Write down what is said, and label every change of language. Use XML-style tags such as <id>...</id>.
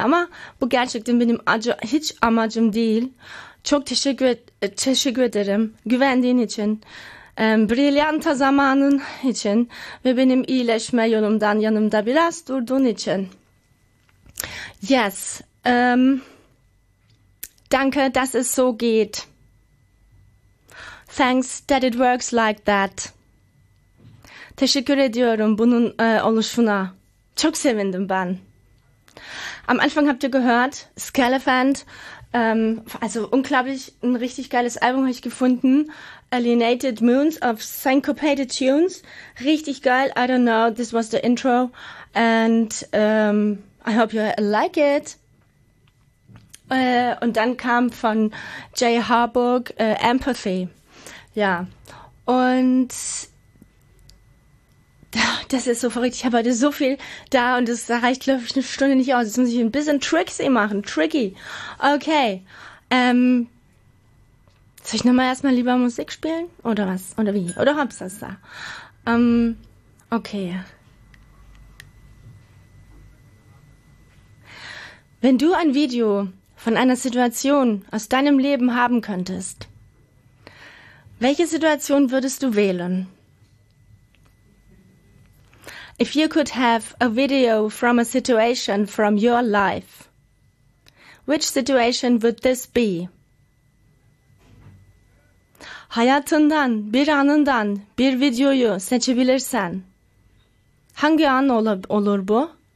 <tr>Ama bu gerçekten benim hiç amacım değil. Çok teşekkür ederim güvendiğin için, brilyanta zamanın için ve benim iyileşme yolumdan yanımda biraz durduğun için.</tr> <de>Yes, danke, dass es so geht.</de> <en>Thanks that it works like that.</en> <tr>Teşekkür ediyorum bunun oluşuna. Çok sevindim ben.</tr> <de>Am Anfang habt ihr gehört, Scalefant. Also unglaublich, ein richtig geiles Album habe ich gefunden. Alienated Moons of Syncopated Tunes. Richtig geil.</de> <en>I don't know, this was the intro. And I hope you like it.</en> <de>Und dann kam von Jay Harburg Empathy. Ja, und das ist so verrückt. Ich habe heute so viel da und es reicht, glaube ich, eine Stunde nicht aus. Jetzt muss ich ein bisschen tricksy machen. Tricky. Okay. Soll ich nochmal erstmal lieber Musik spielen? Oder was? Oder wie? Oder hab's das da? Okay. Wenn du ein Video von einer Situation aus deinem Leben haben könntest, welche Situation würdest du wählen?</de> <en>If you could have a video from a situation from your life, which situation would this be?</en> <tr>Hayatından, bir anından bir videoyu seçebilirsen, hangi an olur bu?</tr>